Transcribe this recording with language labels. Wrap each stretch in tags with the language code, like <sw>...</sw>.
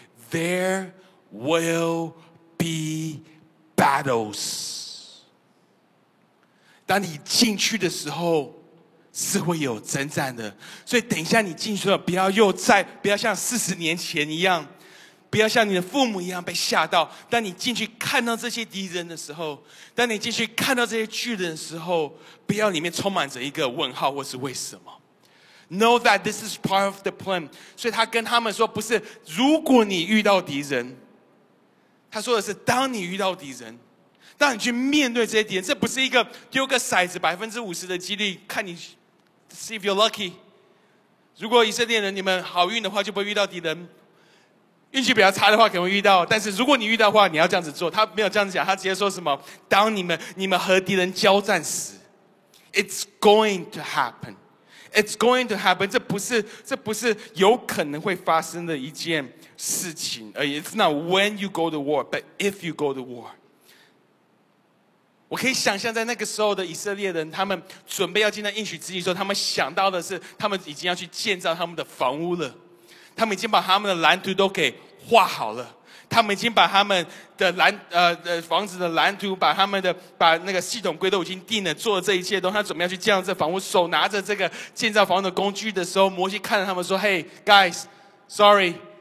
<zh>There will be battles，当你进去的时候是会有征战的。所以等一下你进去了，不要又再，不要像四十年前一样，不要像你的父母一样被吓到。当你进去看到这些敌人的时候，当你进去看到这些巨人的时候，不要里面充满着一个问号或是为什么。</zh> <en>Know that this is part of the plan。</en> <zh>所以他跟他们说，不是如果你遇到敌人，他说的是当你遇到敌人，当你去面对这些敌人，这不是一个丢个骰子50%的几率看你 see if you're lucky。如果以色列人你们好运的话就不会遇到敌人，运气比较差的话可能会遇到，但是如果你遇到的话你要这样子做。他没有这样子讲，他直接说什么，当你们和敌人交战时， It's going to happen， It's going to happen，这不是有可能会发生的一件事情而已。</zh> <en>It's not when you go to war but if you go to war。</en> <zh>我可以想象在那个时候的以色列人，他们准备要进到应许之地的时候，他们想到的是他们已经要去建造他们的房屋了，他们已经把他们的蓝图都给画好了，他们已经把他们的房子的蓝图，把他们的把那个系统规都已经定了，做了这一切东西，他准备要去建造这房屋，手拿着这个建造房屋的工具的时候，摩西看着他们说 Hey guys sorry，</zh>